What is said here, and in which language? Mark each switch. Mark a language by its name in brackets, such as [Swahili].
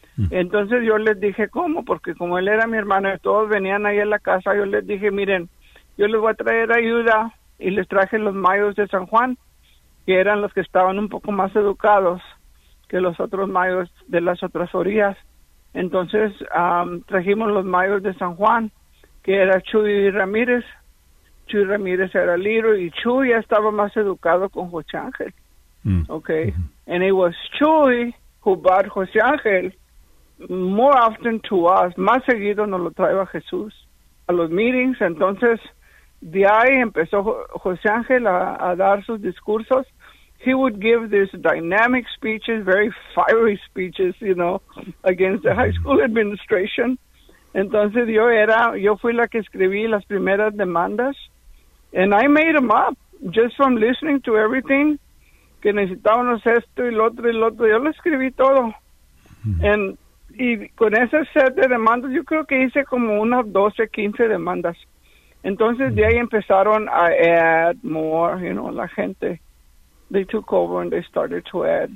[Spanish] Entonces yo les dije, ¿cómo? Porque como él era mi hermano y todos venían ahí a la casa, yo les dije, miren, yo les voy a traer ayuda, y les traje los mayos de San Juan, que eran los que estaban un poco más educados que los otros mayos de las otras orillas. Entonces trajimos los mayos de San Juan, que era Chuy y Ramírez. Chuy Ramírez era Liro, y Chuy ya estaba más educado con José Ángel. [English] Okay. And it was Chuy who brought José Ángel more often to us. [Spanish] Más seguido nos lo traía Jesús a los meetings. Entonces, de ahí empezó José Ángel a dar sus discursos. [English] He would give these dynamic speeches, very fiery speeches, you know, against the high school administration. [Spanish] Entonces yo fui la que escribí las primeras demandas. And I made them up just from listening to everything, que necesitábamos esto y lo otro y lo otro. Yo lo escribí todo. Y con ese set de demandas, yo creo que hice como unas 12, 15 demandas. Entonces de ahí empezaron a add more, you know, la gente. [English] They took over and they started to add.